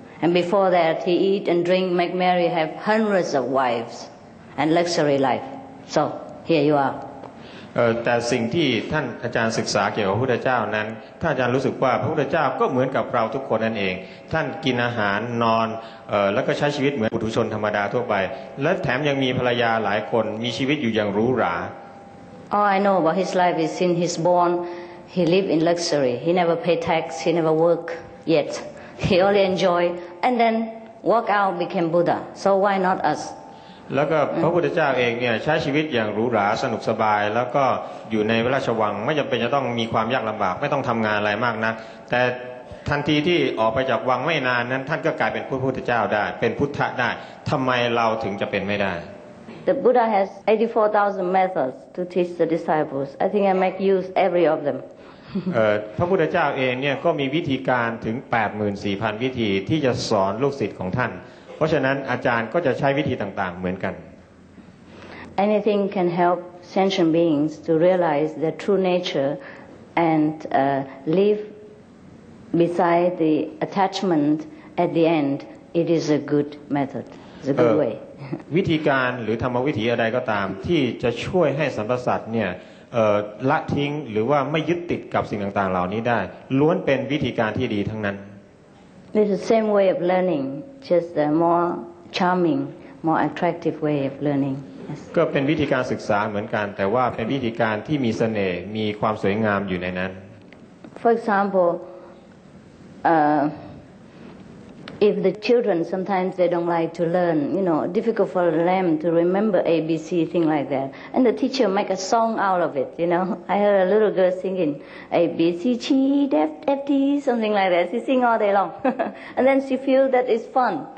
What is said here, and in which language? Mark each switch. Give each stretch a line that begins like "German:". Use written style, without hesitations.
English: And before that, he eat and drink, make merry, have hundreds of wives, and luxury life. So here you are.
Thai: แต่สิ่งที่ท่านอาจารย์ศึกษาเกี่ยวกับพระพุทธเจ้านั้นท่านอาจารย์รู้สึกว่าพระพุทธเจ้าก็เหมือนกับเราทุกคนนั่นเองท่านกินอาหารนอนแล้วก็ใช้ชีวิตเหมือนปุถุชนธรรมดาทั่วไปและแถมยังมีภรรยาหลายคนมีชีวิตอยู่อย่างหรูหรา
English: All I know about his life is since he's born he live in luxury he never pay tax he never work yet he only enjoy and then walk out became Buddha so why not us
Thai: แล้วก็พระพุทธเจ้าเองเนี่ยใช้ชีวิตอย่างหรูหราสนุกสบายแล้วก็อยู่ในราชวังไม่จำเป็นจะต้องมีความยากลำบากไม่ต้องทำงานอะไรมากนักแต่ทันทีที่ออกไปจากวังไม่นานนั้นท่านก็กลายเป็นพระพุทธเจ้าได้เป็นพุทธะได้ทำไมเราถึงจะเป็นไม่ได้
English: The Buddha has 84,000 methods to teach the disciples. I think I make use every of them.
Thai: พระพุทธเจ้าเองเนี่ยก็มีวิธีการถึง 84,000 วิธีที่จะสอนลูกศิษย์ของท่านเพราะฉะนั้นอาจารย์ก็จะใช้วิธีต่างๆเหมือนกัน
English: Anything can help sentient beings to realize their true nature and live beside the attachment at the end it is a good method it's a good way
Thai: วิธีการหรือธรรมวิธีอะไรก็ตามที่จะช่วยให้สรรพสัตว์เนี่ยละทิ้งหรือว่าไม่ยึดติดกับสิ่งต่างๆเหล่านี้ได้ล้วนเป็นวิธีการที่ดีทั้งนั้น
English: This is the same way of learning, just a more charming, more attractive way of learning.
Thai: ก็เป็นวิธีการศึกษาเหมือนกันแต่ว่าเป็นวิธีการที่มีเสน่ห์มีความสวยงามอยู่ในนั้น
English: For example, if the children sometimes they don't like to learn, you know, difficult for them to remember A, B, C, thing like that, and the teacher make a song out of it. You know, I heard a little girl singing A, B, C, G, D, F, D, something like that. She sing all day long, and then she feel that it's fun.